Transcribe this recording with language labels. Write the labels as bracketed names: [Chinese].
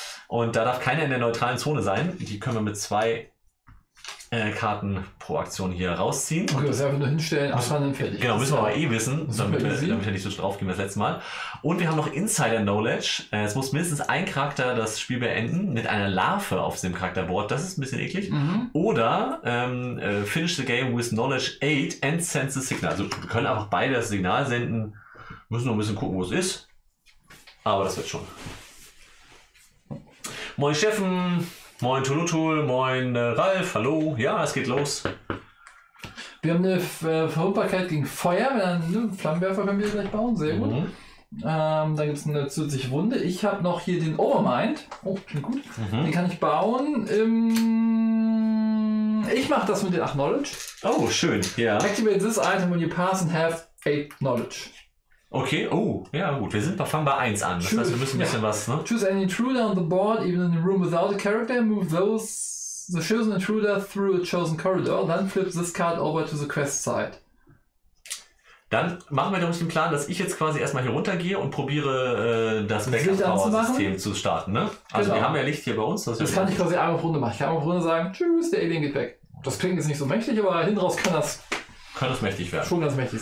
[German] Und da darf keiner in der neutralen Zone sein. Die können wir mit 2 Karten pro Aktion hier rausziehen. Okay, das einfach nur hinstellen, abfahren, dann fertig. Genau, müssen wir aber wissen, damit wir nicht so drauf gehen wie das letzte Mal. Und wir haben noch Insider Knowledge. Es muss mindestens ein Charakter das Spiel beenden mit einer Larve auf dem Charakterboard. Das ist ein bisschen eklig. Mhm. [English] Oder finish the game with Knowledge 8 and send the signal. [German] Also wir können einfach beide das Signal senden. Müssen noch ein bisschen gucken, wo es ist. Aber das wird schon. Moin Steffen, moin Tulutul, moin Ralf, hallo. Ja, es geht los. Wir haben eine Verwundbarkeit gegen Feuer, Flammenwerfer können wir gleich bauen, sehr gut. Dann gibt es eine zusätzliche Wunde. Ich habe noch hier den Overmind. Oh, klingt gut. Mhm. Den kann ich bauen. Ich mache das mit den 8 Knowledge. Oh, schön, ja. [English] Activate this item when you pass and have 8 Knowledge. [German] Okay, oh, ja gut, fangen bei 1 an. Das heißt, wir müssen ein bisschen was, ne? [English] Choose any intruder on the board, even in a room without a character, move the chosen intruder through a chosen corridor, then flip this card over to the quest side. [German] Dann machen wir doch den Plan, dass ich jetzt quasi erstmal hier runtergehe und probiere, das Backup-Power-System zu starten, ne? Also genau. Wir haben ja Licht hier bei uns. Das kann ich quasi einmal auf Runde machen. Ich kann einmal auf Runde sagen, tschüss, der Alien geht weg. Das klingt jetzt nicht so mächtig, aber hin raus kann das mächtig werden. Schon ganz mächtig